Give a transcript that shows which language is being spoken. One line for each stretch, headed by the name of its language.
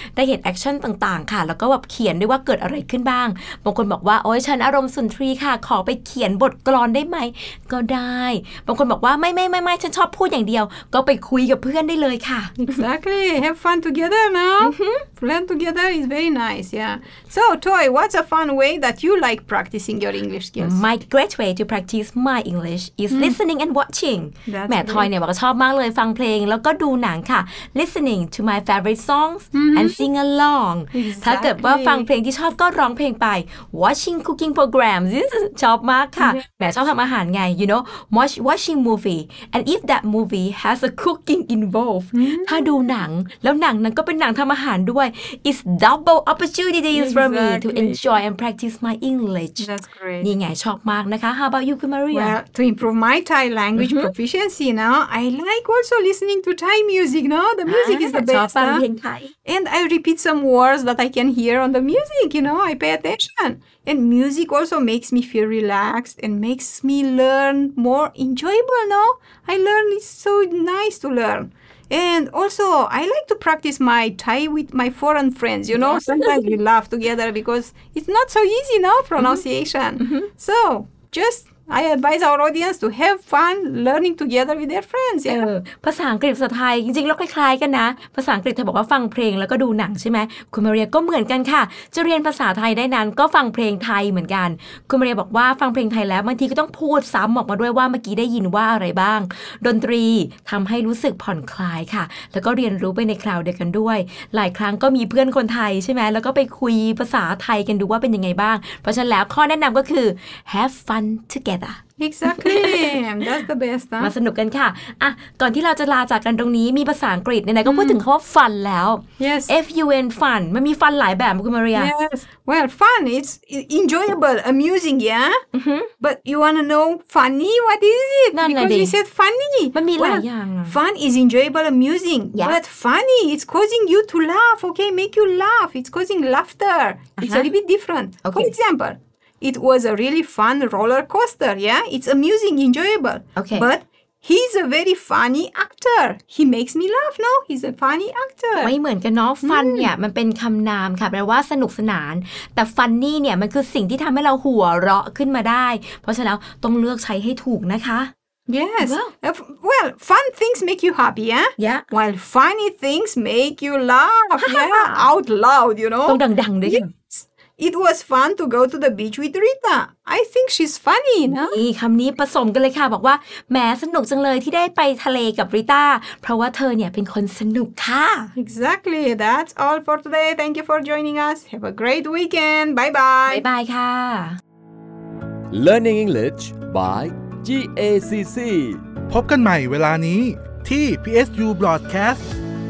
Thai: ได้เห็นแอคชั่นต่างๆค่ะแล้วก็แบบเขียนด้วยว่าเกิดอะไรขึ้นบ้างบางคนบอกว่าโอ๊ยฉันอารมณ์สุนทรีค่ะขอไปเขียนบทกลอนได้ไหมก็ได้บางคนบอกว่าไม่ฉันชอบพูดอย่างเดียวก็ไปคุยกับเพื่อนได้เลยค่ะ
English: Exactly have fun together now plan together is very nice yeah so Toy what's a fun way that you like practicing your English skills my great way to practice my English is listening and watching
Thai: แม่ทอยเนี่ยบอกชอบมากเลยฟังเพลงแล้วก็ดูหนังค่ะ
English: listening to my favorite songs and sing along
Thai: ถ้าเกิดว่าฟังเพลงที่ชอบก็ร้องเพลงไป
English: watching cooking programs
Thai: ชอบมากค่ะแม่ชอบทำอาหารไง
English: you know watching movie and if that movie has a cooking involved
Thai: ถ้าดูหนังแล้วหนังนั้นก็เป็นหนังทำอาหารด้วย
English: it's double opportunities for me to enjoy and practice my English that's great
Thai: นี่ไงชอบมากนะคะ
English: how about you
Thai: คุณมาเรีย
English: well to improve my Thai languageEfficiency now. I like also listening to Thai music. No, the music is the best. And I repeat some words that I can hear on the music. You know, I pay attention. And music also makes me feel relaxed and makes me learn more enjoyable. No, I learn it's so nice to learn. And also, I like to practice my Thai with my foreign friends, you know. Sometimes we laugh together because it's not so easy, no, pronunciation. So, just... I advise our audience to have fun learning together with their friends. Yeah.
Thai: ภาษาอังกฤษกับไทยจริงๆแล้วคล้ายๆกันนะภาษาอังกฤษเธอบอกว่าฟังเพลงแล้วก็ดูหนังใช่ไหมคุณมาเรียก็เหมือนกันค่ะจะเรียนภาษาไทยได้นั้นก็ฟังเพลงไทยเหมือนกันคุณมาเรียบอกว่าฟังเพลงไทยแล้วบางทีก็ต้องพูดซ้ำออกมาด้วยว่าเมื่อกี้ได้ยินว่าอะไรบ้างดนตรีทำให้รู้สึกผ่อนคลายค่ะแล้วก็เรียนรู้ไปในคราวเดียวกันด้วยหลายครั้งก็มีเพื่อนคนไทยใช่ไหมแล้วก็ไปคุยภาษาไทยกันดูว่าเป็นยังไงบ้างเพราะฉะนั้นแล้วข้อแนะนำก็คือ
English: have fun together Exactly. That's the best.
Thai: มาสนุกกันค่ะอ่ะก่อนที่เราจะลาจากกันตรงนี้มีภาษาอังกฤษไหนๆก็พูดถึงคำว่า fun แล้ว
English: Yes. F-U-N fun.
Thai: มันมี fun หลายแบบคุณมาเรีย
English: Yes. Well, fun. It's enjoyable, amusing, yeah. Mm-hmm. But you wanna know funny? What is it?
Thai: นั่น แหละ
English: Because you said funny.
Thai: มันมีหลายอย่าง
English: Fun is enjoyable, amusing. Yeah. But funny, it's causing you to laugh. Okay, make you laugh. It's causing laughter. Uh-huh. It's a little bit different. Okay. For example. It was a really fun roller coaster, yeah? It's amusing, enjoyable. Okay. But he's a very funny actor. He makes me laugh, no? He's a funny actor.
Thai: ไม่เหมือนกันเนาะ fun เนี่ยมันเป็นคำนามค่ะแปลว่าสนุกสนานแต่ funny เนี่ยมันคือสิ่งที่ทำให้เราหัวเราะขึ้นมาได้เพราะฉะนั้นต้องเลือกใช้ให้ถูกนะคะ
English: Yes. Well, fun things make you happy, yeah? Yeah. While funny things make you laugh, yeah? Out loud, you know?
Thai: ต้องดังๆด้วยค่ะ
English: It was fun to go to the beach with Rita. I think she's funny, no?
Thai: นี่คำนี้ผสมกันเลยค่ะบอกว่าแม้สนุกจังเลยที่ได้ไปทะเลกับ Rita เพราะว่าเธอเนี่ยเป็นคนสนุกค่ะ
English: Exactly. That's all for today. Thank you for joining us. Have a great weekend. Bye-bye. Bye-bye ค่ะ Learning English by GACC
Thai: พบกันใหม่เวลานี้ที่ PSU Broadcast